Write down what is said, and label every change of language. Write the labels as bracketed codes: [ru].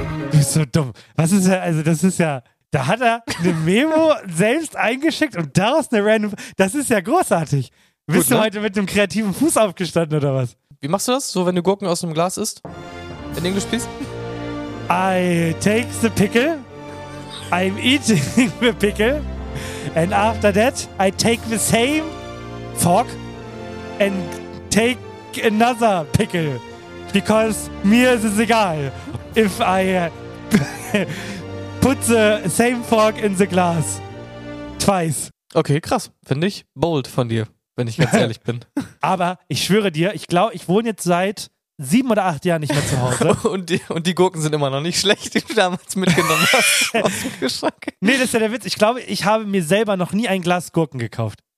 [de] Du bist so dumm. Was ist ja, also das ist ja... Da hat er eine Memo selbst eingeschickt und daraus eine random... Das ist ja großartig. Bist du heute mit einem kreativen Fuß aufgestanden oder was? Wie machst du das, so wenn du Gurken aus einem Glas isst? In Englisch spielst? [en] I take the pickle, I'm eating the pickle, and after that, I take the same fork and take another pickle, because [de] mir ist es egal, [en] if I put the same fork in the glass twice. [de] Okay, krass. Finde ich bold von dir, wenn ich ganz ehrlich bin. Aber ich schwöre dir, ich glaube, ich wohne jetzt seit 7 oder 8 Jahre nicht mehr zu Hause. Und die Gurken sind immer noch nicht schlecht, die du damals mitgenommen hast. Aus dem Geschmack. Nee, das ist ja der Witz. Ich glaube, ich habe mir selber noch nie ein Glas Gurken gekauft.